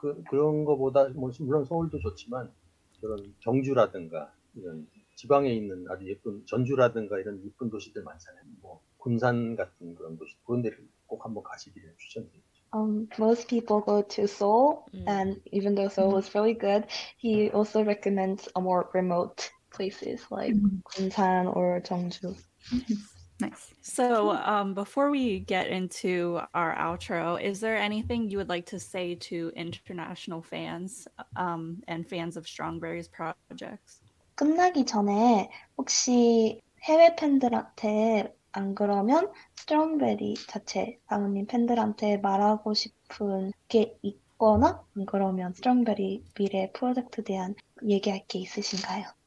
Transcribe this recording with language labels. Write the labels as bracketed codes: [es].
[ko] 그런 거보다 물론 서울도 좋지만 그런 경주라든가 이런 지방에 있는 아주 예쁜 전주라든가 이런 예쁜 도시들 많잖아요. 뭐 군산 같은 그런 도시 그런 데를 꼭 한번 가시기를 추천드립니다. [en] Most people go to Seoul, and even though Seoul is really good, he also recommends a more remote places like Gunsan or Jeonju. Nice. So before we get into our outro, is there anything you would like to say to international fans and fans of Strongberry's projects? [ko] 끝나기 전에 혹시 해외 팬들한테 안 그러면 스트롱베리 자체 사모님 팬들한테 말하고 싶은 게 있거나 안 그러면 스트롱베리 미래 프로젝트에 대한 얘기할 게 있으신가요?